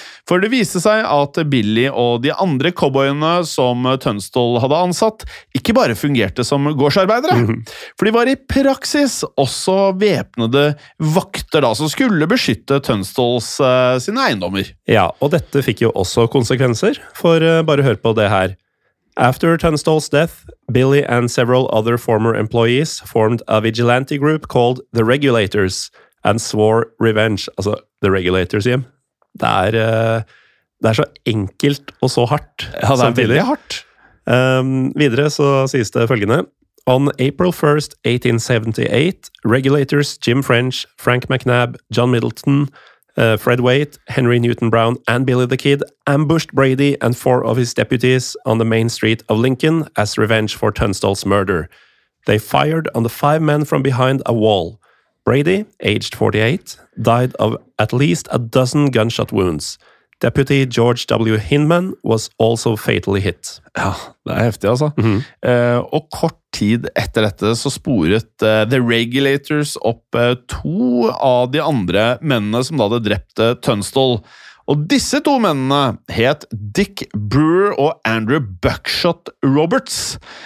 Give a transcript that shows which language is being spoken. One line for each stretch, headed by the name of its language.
Norwegian: For det viste seg at Billy og de andre cowboyene som Tunstall hadde ansatt, ikke bare fungerte som gårdsarbeidere, for de var i praksis også væpnede vakter da, som skulle beskytte Tunstalls sine eiendommer. Ja, og dette fikk jo også konsekvenser, for bare hør på det her.
English: After Tunstall's death, Billy and several other former employees formed a vigilante group called the Regulators and swore revenge, altså the Regulators, Jim.
Norwegian: Det er så enkelt og så hardt. Ja, det er veldig hardt. Videre så sies det følgende.
English: On April 1st, 1878, regulators Jim French, Frank McNab, John Middleton, Fred Waite, Henry Newton Brown, and Billy the Kid ambushed Brady and four of his deputies on the main street of Lincoln as revenge for Tunstall's murder. They fired on the five men from behind a wall. Brady, aged 48, died of at least a dozen gunshot wounds. Deputy George W. Hinman was also fatally hit.
Norwegian: Ja, det heftig altså. Mm-hmm. Og kort tid etter dette så sporet The Regulators opp to av de andre mennene som da hadde drept Tunstall. Og disse to mennene het Dick Brewer og Andrew Buckshot Roberts.